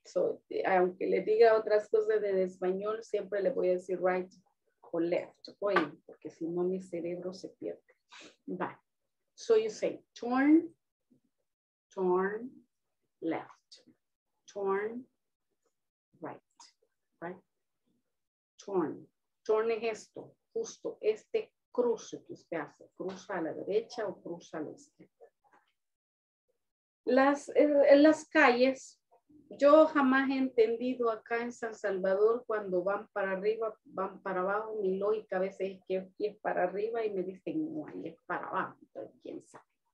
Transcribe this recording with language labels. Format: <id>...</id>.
<es>So aunque le diga otras cosas en español, siempre le voy a decir right o left. Oye, porque si no mi cerebro se pierde. Va.</es> <en>So you say turn, turn, left, turn, right, right, turn.</en> <es>Turn es esto. Justo este cruce que usted hace, cruza a la derecha o cruza a la izquierda. Las calles, yo jamás he entendido acá en San Salvador cuando van para arriba, van para abajo, mi lógica a veces es que es para arriba y me dicen, no, ahí es para abajo, entonces quién sabe.</es>